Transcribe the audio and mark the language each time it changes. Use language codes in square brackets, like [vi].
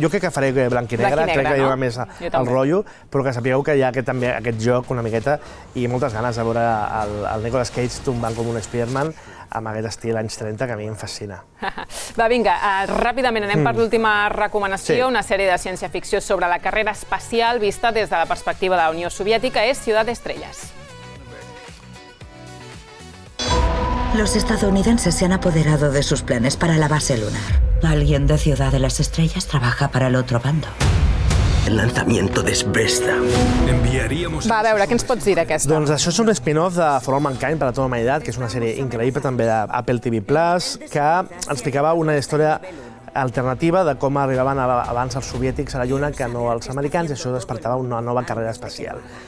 [ca] Jo crec que faré blanc i negre, crec que hi haurà més el rotllo, però que sapigueu que hi ha també aquest joc una miqueta i moltes ganes de veure el Nicolas Cage tombant com un Spider-Man amb aquest estil anys 30 que a mi em fascina. Va, vinga, ràpidament anem per l'última recomanació. Sí. Una sèrie de ciència-ficció sobre la carrera espacial vista des de la perspectiva de la Unió Soviètica és Ciudad de Estrellas. [es] Los estadounidenses se han apoderado de sus planes para la base lunar. Alguien de Ciudad de las Estrellas trabaja para el otro bando. El lanzamiento de Vesta. Enviaríamos... [ca] Va, a veure, què ens pots dir d'aquesta? Doncs això és un spin-off de For All Mankind, per a tota la humanitat, que és una sèrie increïble també d'Apple TV+, que ens explicava una història alternativa de com arribaven abans els soviètics a la Lluna que no els americans, i això despertava una nova carrera espacial.